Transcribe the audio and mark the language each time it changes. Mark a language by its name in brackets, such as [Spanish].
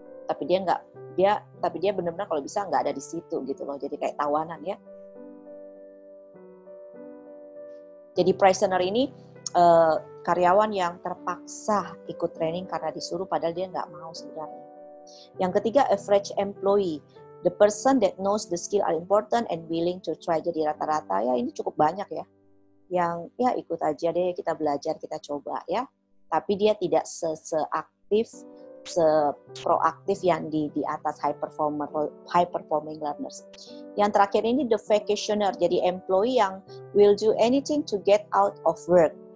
[Indonesian] Tapi dia benar-benar kalau bisa nggak ada di situ gitu loh. Jadi kayak tawanan ya. Jadi prisoner ini karyawan yang terpaksa ikut training karena disuruh padahal dia nggak mau sebenarnya. Yang ketiga [English] average employee, the person that knows the skill are important and willing to try. [Indonesian] Jadi rata-rata ya ini cukup banyak ya. Yang ya ikut aja deh kita belajar, kita coba ya. Tapi dia tidak seaktif, seproaktif yang di atas [English] high performing learners. [Indonesian] Yang terakhir ini [English] the vacationer, [Indonesian] jadi employee yang [English] will do anything to get out of work.